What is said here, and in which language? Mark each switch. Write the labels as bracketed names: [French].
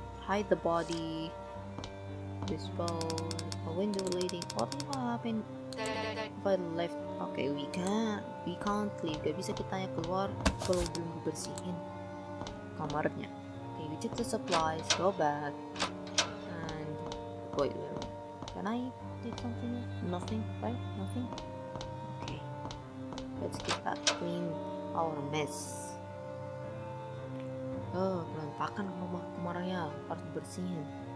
[English] Hide the body, dispose, a window leading. What will happen if I left? Okay, we can't leave. [Indonesian] Gak bisa kita keluar kalau belum dibersihin kamarnya. [English] Okay, we took the supplies, go back, and wait. Can I do something? Nothing, right? Nothing? Okay, let's get that clean our mess. [Indonesian] Oh, berantakan rumah kemarinnya, harus dibersihin.